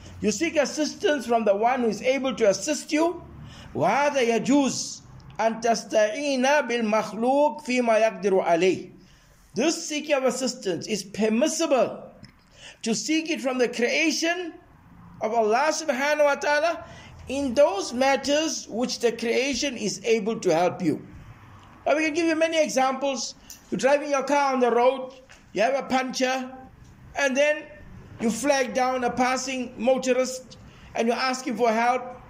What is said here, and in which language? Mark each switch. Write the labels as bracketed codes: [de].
[en] You seek assistance from the one who is able to assist you. [ar] وهذا يجوز أن تستعين بالمخلوق فيما يقدر عليه. [en] This seeking of assistance is permissible. To seek it from the creation of Allah subhanahu wa ta'ala in those matters which the creation is able to help you. Now we can give you many examples. You're driving your car on the road, you have a puncture, and then you flag down a passing motorist and you ask him for help.